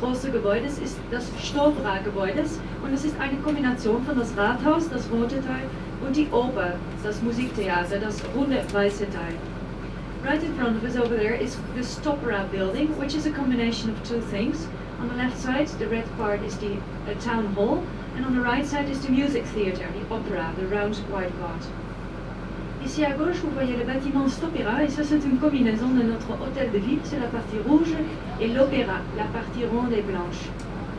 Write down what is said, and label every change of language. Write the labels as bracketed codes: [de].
[de] Gebäudes ist das Stobra-Gebäude und es ist eine Kombination von das Rathaus, das rote Teil, und die Oper, das Musiktheater, das runde weiße Teil. [en] Right in front of us over there is the Stobra building, which is a combination of two things. On the left side, the red part is the town hall, and on the right side is the music theater, the opera, the round white part. [fr] Ici à gauche, vous voyez le bâtiment Stobra, et ça c'est une combinaison de notre hôtel de ville, c'est la partie rouge, et l'opéra, la partie ronde et blanche.